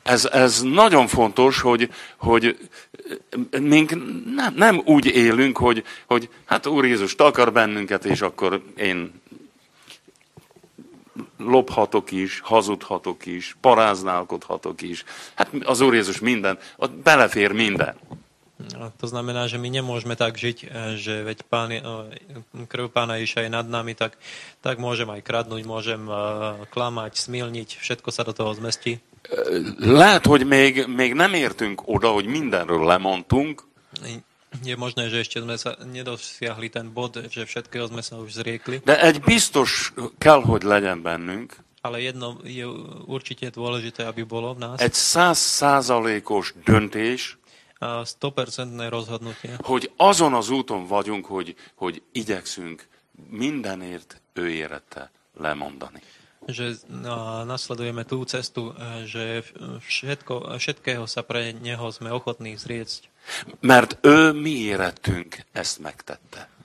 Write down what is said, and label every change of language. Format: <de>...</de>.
<hu>Ez nagyon fontos, hogy mink nem úgy élünk, hogy hát Úr Jézus takar bennünket, és akkor én lophatok is, hazudhatok is, paráználkodhatok is. Hát az Úr Jézus minden, ott belefér minden.</hu> <sk>To znamená, že my nemôžeme tak žiť, že veď krv Pána Ježiša je nad nami, tak môžem aj kradnúť, môžem klamať, smilniť, všetko sa do toho zmestí.</sk> <hu>Lehet, hogy még nem értünk oda, hogy mindenről lemondtunk.</hu> <sk>Je možné, že ešte sme sa nedosiahli ten bod, že všetkého sme sa už zriekli.</sk> <hu>De egy biztos kell, hogy legyen bennünk.</hu> <sk>Ale jedno je určite dôležité, aby bolo v nás.</sk> <hu>Egy 100%-os döntés.</hu> <sk>100% rozhodnutie.</sk> <hu>Hogy azon az úton vagyunk, hogy igyekszünk mindenért ő érette lemondani.</hu> <sk>Že nasledujeme tú cestu, že všetkého sa pre neho sme ochotní zriecť.</sk> <hu>Mert ő mi érettünk ezt megtette.</hu>